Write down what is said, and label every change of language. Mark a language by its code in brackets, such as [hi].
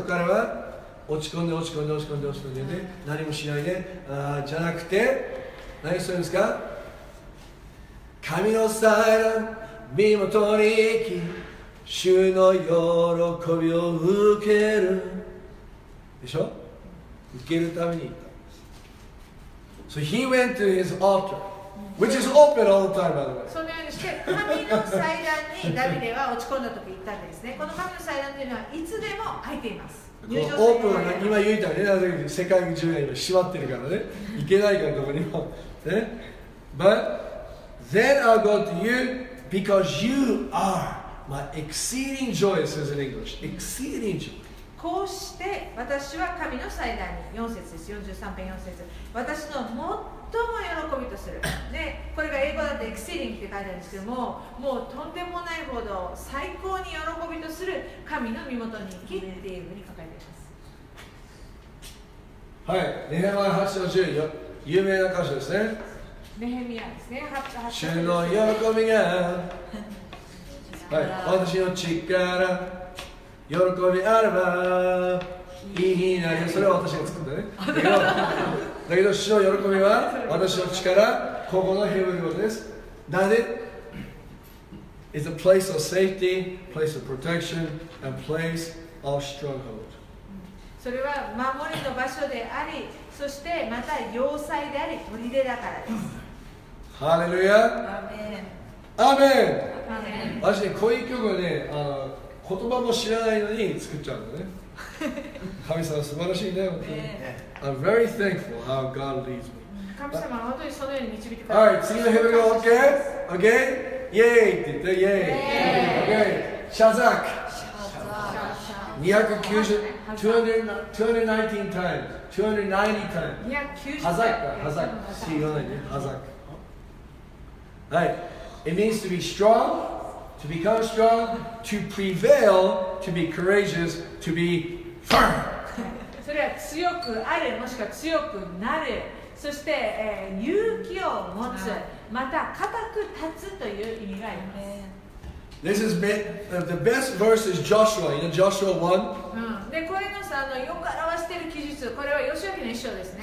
[ja] だからは落ち込んで落ち込んで落ち込んで落ち込んで、ね、はい、何もしないで、ね、じゃなくて何をするんですか？神の祭壇身元に行き、主の喜びを受けるでしょ。受けるために行った。 [en] So he went to his altar, which is open all the time, by the way. [ja] そのようにして神の祭壇にダビデは落ち込んだ時行ったんですね。この神の祭壇というのはいつでも開いています。オープンは今言いたいね。なぜか世界中が今閉まってるからね、行けないからどこにも、ね、 [en] But then I'll go to youBecause you are my exceeding joy, it says in English. Exceeding joy. [ja] こうして私は神の祭壇に、4節です、43編4節、私の最も喜びとする。で、これが英語だと exceeding って書いてあるんですけども、もうとんでもないほど最高に喜びとする神の身元に行きっていうふうに書かれています。はい、ネヘマヤ8の10、有名な歌詞ですね。ネヘミヤですね。主の喜びが、はい、私の力、喜びあればいいなり。それは私が作ったね。だけど主の喜びは私の力、ここのヘブル語です。なんで [en] It's a place of safety, place of protection, and place of stronghold. [ja] それは守りの場所であり、そしてまた要塞であり、砦だからです。ハレルヤ、アメン、アメン。私ね、こういう曲はね、言葉も知らないのに作っちゃうのね。神様素晴らしいね、本当に。 [en] I'm very thankful how God leads me. [ja] 神様は本当にそのように導いてくれます。Alright, 次のヘブル語 OK? OK? Yay! って言って、Yay! OK! Shazak! Shazak! [en] 219 times 290 times Hazak! Hazak! 言わないね、Hazak! Right. It means to be strong, to become strong, to prevail, to be courageous, to be firm. [ja] それは強くあれ、もしくは強くなれ、そして、勇気を持つ、また固く立つという意味があります。 [en] This is the best verse is Joshua, you know, Joshua 1. [ja] で、これのさ、よく表している記述、これはヨシュアの一章ですね。